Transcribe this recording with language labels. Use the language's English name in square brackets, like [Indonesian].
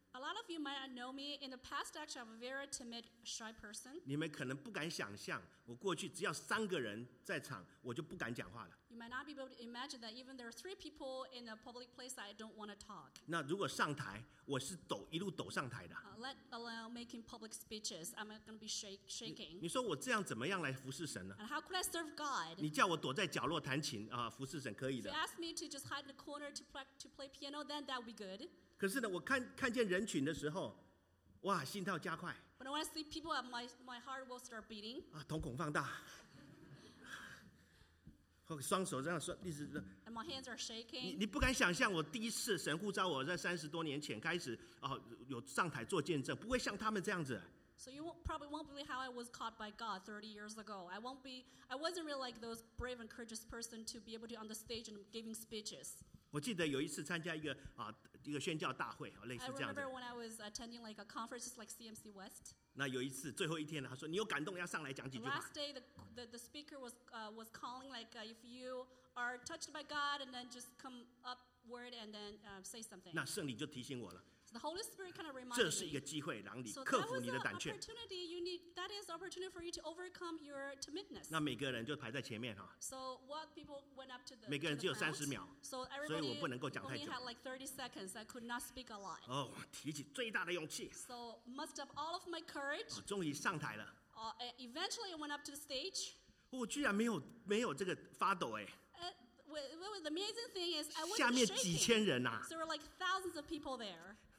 [English] A lot of you might not know me. In the past, actually, I'm a very timid, shy person. [Chinese] 你们可能不敢想象，我过去只要三个人在场，我就不敢讲话了。 [English] You might not be able to imagine that even there are three people in a public place that I don't want to talk. [Chinese] 那如果上台，我是抖，一路抖上台的。 [English] Let alone making public speeches, I'm going to be shaking. [Chinese] 你说我这样怎么样来服侍神呢？ [English] And how could I serve God? [Chinese] 你叫我躲在角落弹琴啊，服侍神可以的。 [English] If you ask me to just hide in the corner to play piano, then that would be good. [Chinese] 可是呢，我看见人群的时候，哇，心跳加快。 [English] But when I see people, my heart will start beating. [Chinese] 啊，瞳孔放大。双手这样说，一直。 [English] And my hands are shaking. [Chinese] 你不敢想象，我第一次神呼召我在30多年前开始啊，有上台做见证，不会像他们这样子。 [English] So you probably won't believe how I was caught by God 30 years ago. I wasn't really like those brave and courageous person to be able to on the stage and giving speeches. [Chinese] 我记得有一次参加一个宣教大会，类似这样子。 [English] I remember when I was attending like a conference, just like CMC West. [Chinese] 那有一次最后一天，他说你有感动要上来讲几句话。 [English] Last day, the speaker was calling like if you are touched by God and then just come upward and then say something. [Chinese] 那圣灵就提醒我了。 [English] So the Holy Spirit kind of reminded me. [Chinese] 这是一个机会，让你克服你的胆怯。 [English] So that was an opportunity. You need that is opportunity for you to overcome your timidness. [Chinese] 那每个人就排在前面哈。 [English] So what people went up to the [Chinese] 每个人只有30秒。 [English] So everybody, [Chinese] 所以我不能够讲太久。 [English] Only had like 30 seconds. I could not speak a lot. [Chinese] 哦，提起最大的勇气。 [English] So must up all of my courage. [Chinese] 哦，终于上台了。 [English] Eventually went up to the stage. [Chinese] 我居然没有这个发抖哎。 [English] The amazing thing is, I wasn't shaking. [Chinese] 下面几千人呐、啊。 [English] So there were like thousands of people there.